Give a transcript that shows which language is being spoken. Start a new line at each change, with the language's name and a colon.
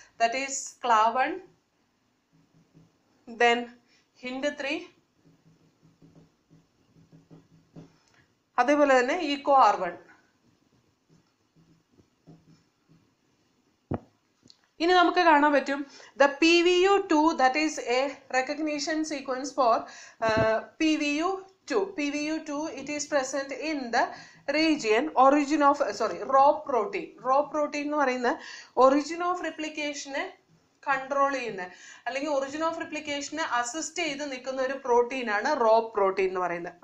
English: that is ക്ലാവൺ, then ഹിൻഡ് three,
Malayalam: അതേപോലെ തന്നെ
English: ഈക്കോ R one.
Malayalam: ഇനി നമുക്ക് കാണാൻ പറ്റും
English: The P V U two, that is a recognition sequence for P V U PVU2, it is present in the region origin of, sorry, raw protein. Raw protein is origin of replication control
Malayalam: ചെയ്യുന്ന അല്ലെങ്കിൽ origin of റിപ്ലിക്കേഷനെ assist ചെയ്ത് നിൽക്കുന്ന ഒരു protein ആണ് raw protein എന്ന് പറയുന്നത്.